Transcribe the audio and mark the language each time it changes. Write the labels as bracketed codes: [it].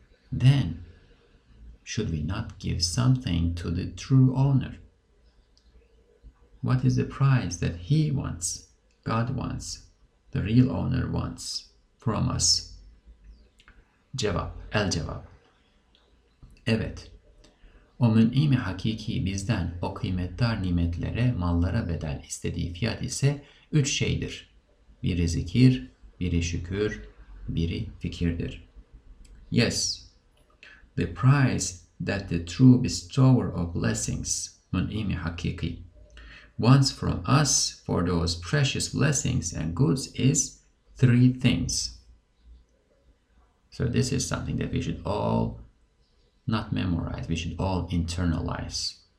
[en] Then, should we not give something to the true owner? What is the price that he wants, God wants, the real owner wants from us? [tr] Cevap, el cevap. Evet, o mün'imi hakiki bizden o kıymetdar nimetlere, mallara bedel istediği fiyat ise üç şeydir. Biri zikir, biri şükür, biri fikirdir. [en] Yes. The price that the true bestower of blessings, mun'imi hakiki, wants from us for those precious blessings and goods is three things. So this is something that we should all not memorize, we should all internalize.